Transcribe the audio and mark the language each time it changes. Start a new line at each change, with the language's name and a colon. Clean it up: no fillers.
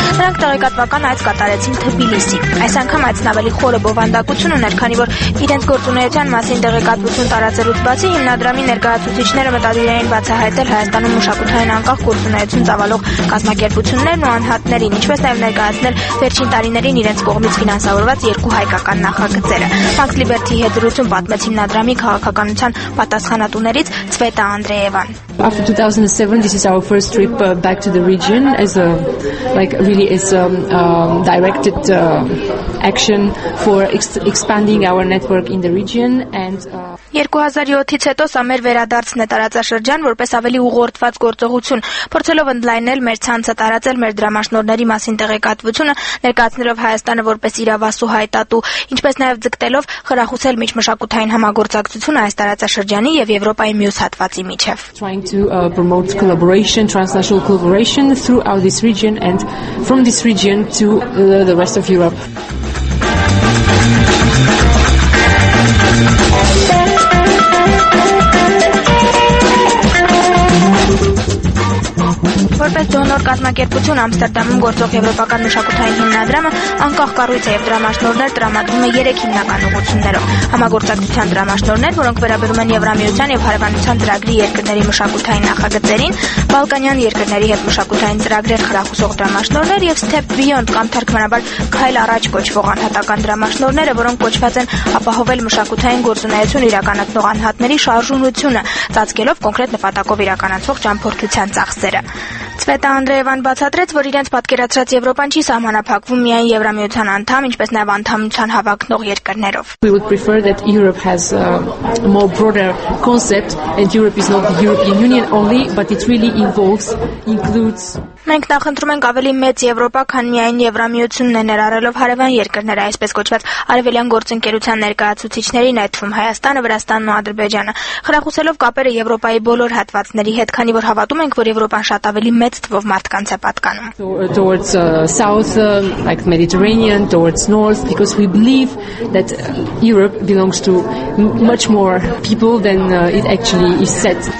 Armenian: նրանք տեղեկատվական այց կատարեցին Թբիլիսի։ Այս անգամ այցն ավելի խորը բովանդակություն ուներ, քանի որ իրենց գործունեության մասին տեղեկատվություն տարածելուց բացի հիմնադրամի ներկայացուցիչները մտադիր էին բացահայտել Հայաստանում մշակութային անկախ գործունեություն ծավալող կազմակերպություններն ու անհատներին, ինչպես նաև ներկայացնել վերջին տարիներին իրենց կողմից ֆինանսավորված երկու հայկական նախագծերը։ Max Liberty հետ դրություն պատմեց հիմնադրամի քաղաքականության պատասխանատուներից Ցվետա Անդրեևան։
English: After 2007, this is our first trip back to the region as a, like, really as a directed action for expanding our network in the region and...
Armenian: 2007-ից հետո սա մեր վերադարձն է տարածաշրջան որպես ավելի ուղղորդված գործողություն, փորձելով ընդլայնել մեր ցանցը տարածել մեր դրամաշնորների մասին տեղեկատվությունը, ներկայացնելով Հայաստանը որպես իրավասու հայտատու, ինչպես նաև ձգտելով խրախուսել միջմշակութային համագործակցությունը այս տարածաշրջանի եւ Եվրոպայի մյուս հատվածի միջև։
English: Trying to promote collaboration, transnational collaboration throughout this region and from this region to the rest of Europe.
Armenian: Որպես դոնոր կազմակերպություն Ամստերդամում գործող Եվրոպական մշակութային հիմնադրամը անկախ կառույց է, և դրամաշնորներ տրամադրում է 3 հիմնական ուղղություններով. համագործակցության դրամաշնորներ, որոնք վերաբերում են Եվրամիության և Հարևանության ծրագրի երկրների մշակութային նախագծերին, Բալկանյան երկրների հետ մշակութային ծրագրեր խրախուսող դրամաշնորներ և Step Beyond կամ թարգմանաբար Քայլ առաջ կոչվող անհատական դրամաշնորները, որոնք կոչված են ապահովել մշակութային գործունեություն իրականացնող անհատների շարժունությունը, ծածկելով կոնկրետ նպատակով իրականացող ճամփորդության ծախսերը։ Ցվետա Անդրեևան բացատրեց, որ իրենց պատկերացրած Եվրոպան չի սահմանափակվում միայն Եվրամիության անդամ, ինչպես նաև անդամության հավաքնող երկրներով։
English: We would prefer that Europe has a more broader concept and Europe is not the European Union only, but it really involves, includes.
Armenian: Մենք նախընտրում ենք ավելի մեծ Եվրոպա, քան միայն Եվրամիությունն է, ներառելով հարևան երկրները, այսպես կոչված արևելյան գործընկերության ներկայացուցիչներին, այդ թվում Հայաստանը, Վրաստանն ու Ադրբեջանը, խրախուսելով կապերը Եվրոպայի բոլոր հատվածների հետ, քանի որ հավատում ենք, որ Եվրոպան շատ ավելի մեծ թվով մարդկանց է պատկանում։
English: So, towards south, like Mediterranean, towards north, because we believe that Europe belongs to much more people than it actually is said.